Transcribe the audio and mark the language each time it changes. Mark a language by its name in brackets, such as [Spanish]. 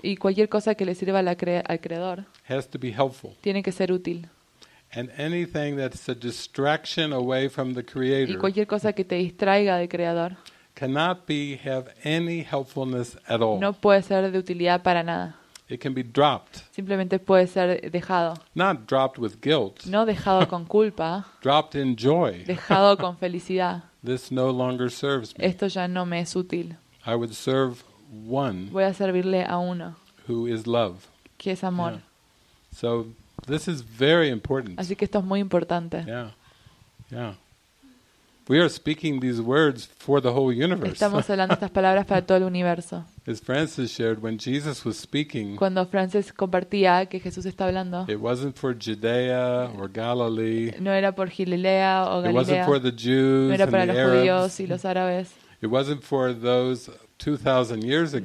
[Spanish] Y cualquier cosa que le sirva al creador. [English] Has to be helpful. [Spanish] Tiene que ser útil. [English] And anything that's a distraction away from the Creator. [Spanish] Y cualquier cosa que te distraiga del creador. [English] Cannot be have any helpfulness at all. [Spanish] No puede ser de utilidad para nada. [English] It can be dropped. [Spanish] Simplemente puede ser dejado. [English] Not dropped with guilt. [Spanish] No dejado con culpa. [English] Dropped in joy. [Spanish] Dejado con felicidad. [English] This no longer serves me. [Spanish] Esto ya no me es útil. [English] I would serve one. [Spanish] Voy a servirle a uno. [English] Who is love. [Spanish] Que es amor. Yeah. [English] So this is very important. [Spanish] Así que esto es muy importante. [English] Yeah. We are speaking these words for the whole universe. [Spanish] Estamos hablando estas palabras para todo el universo. [English] As Francis shared when Jesus was speaking. [Spanish] Cuando Francis compartía que Jesús está hablando. [English] It wasn't for Judea or Galilee. [Spanish] No era por Galilea o Galilea. [English] It wasn't for the Jews and the Arabs. [Spanish] No era para los judíos y los árabes. [English] It wasn't for those 2,000 years ago.